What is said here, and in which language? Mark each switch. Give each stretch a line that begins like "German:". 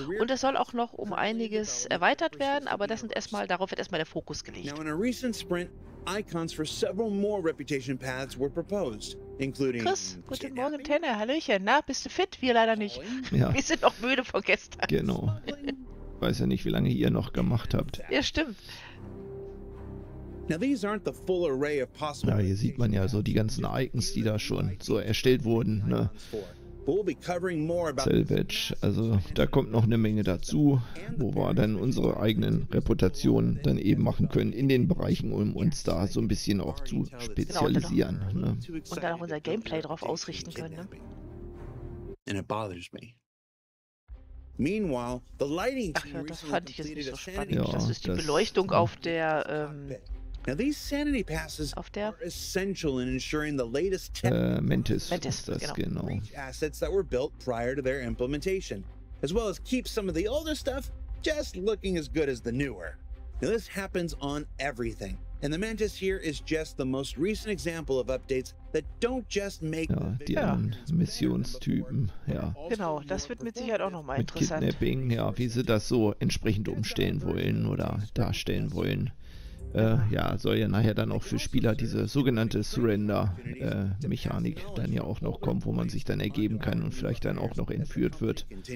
German: Und es soll auch noch um einiges erweitert werden, aber darauf wird erstmal der Fokus gelegt.
English: Icons for several more reputation paths were proposed, including.
German: Chris, guten Morgen, Tanner, hallöchen. Na, bist du fit? Wir leider nicht. Ja. Wir sind noch müde von gestern. Genau. Weiß ja nicht, wie lange ihr noch gemacht habt. Ja, stimmt.
English: Now these aren't the full array of possible.
German: Ja, hier sieht man ja so die ganzen Icons, die da schon so erstellt wurden, ne? Selvage, also da kommt noch eine Menge dazu, wo wir dann unsere eigenen Reputationen dann eben machen können in den Bereichen, um uns da so ein bisschen auch zu spezialisieren. Genau, ne? Und dann auch unser Gameplay darauf ausrichten können. Ne? Ach ja, das fand ich jetzt nicht so spannend. Ja, das ist die Beleuchtung auf der...
English: Now these sanity passes are essential in ensuring the latest Mentis, genau. Assets that were built prior to their implementation, as well as keep some of the older stuff just looking as good as the newer. Now this happens on everything, and the Mentis here is just the most recent example of updates that don't just make Missionstypen,
German: genau, das wird mit Sicherheit auch nochmal interessant. Mit Kidnapping, ja, wie sie das so entsprechend umstellen wollen oder darstellen wollen. Soll ja nachher dann auch für Spieler diese sogenannte Surrender-Mechanik dann ja auch noch kommen, wo man sich dann ergeben kann und vielleicht dann auch noch entführt wird.